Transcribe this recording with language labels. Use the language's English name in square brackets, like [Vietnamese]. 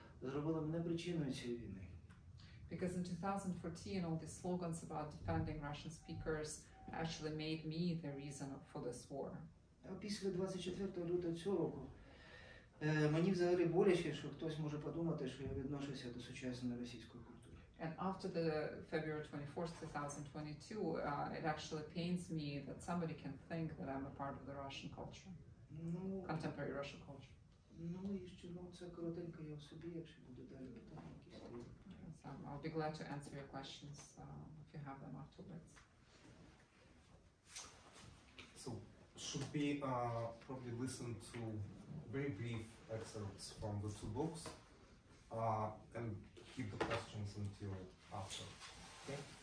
[Ukrainian] зробила мене причиною цієї війни. [English] Because in 2014, all these slogans about defending Russian speakers actually made me the reason for this war. [Ukrainian] Після 24 лютого цього року мені взагалі боляче, що хтось може подумати, що я відношуся до сучасної російської культури. [English] And after the February 24th, 2022, it actually pains me that somebody can think that I'm a part of the Russian culture, contemporary Russian culture. [Ukrainian] Ну і що, ну це коротенько я в собі, якщо буду далі питання якісь стоїть. [English] I'll be glad to answer your questions if you have them afterwards. So, should we probably listen to very brief excerpts from the two books and keep the questions until after, okay?